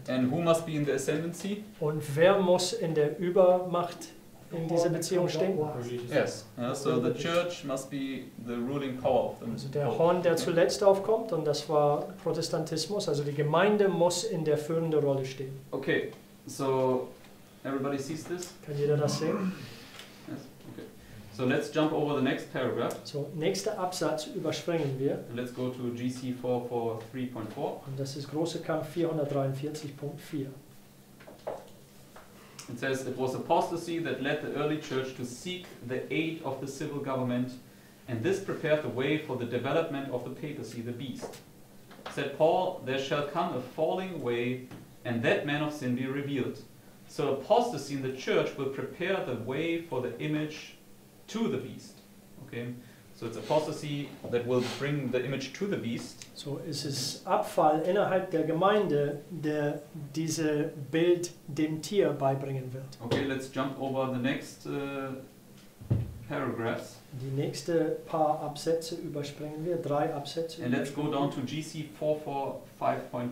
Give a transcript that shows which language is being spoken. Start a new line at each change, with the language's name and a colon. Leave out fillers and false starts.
English: And who must be in the ascendancy?
German: Und wer muss in der Übermacht in dieser Beziehung stehen?
English: Yes, so the church must be the ruling power of them.
German: Also der Horn, der zuletzt aufkommt, und das war Protestantismus, also die Gemeinde muss in der führenden Rolle stehen.
English: Okay, so everybody sees this?
German: Kann jeder das sehen?
English: Yes, okay. So let's jump over the next paragraph.
German: So, nächster Absatz überspringen wir.
English: And let's go to GC 443.4.
German: Und das ist Großer Kampf 443.4.
English: It says, it was apostasy that led the early church to seek the aid of the civil government, and this prepared the way for the development of the papacy, the beast. Said Paul, there shall come a falling away, and that man of sin be revealed. So apostasy in the church will prepare the way for the image to the beast. Okay, so it's apostasy that will bring the image to the beast.
German: So es ist Abfall innerhalb der Gemeinde, der diese Bild dem Tier beibringen wird.
English: Okay, let's jump over the next paragraphs.
German: Die nächste paar Absätze überspringen wir, drei Absätze.
English: And let's go down to GC 445.1.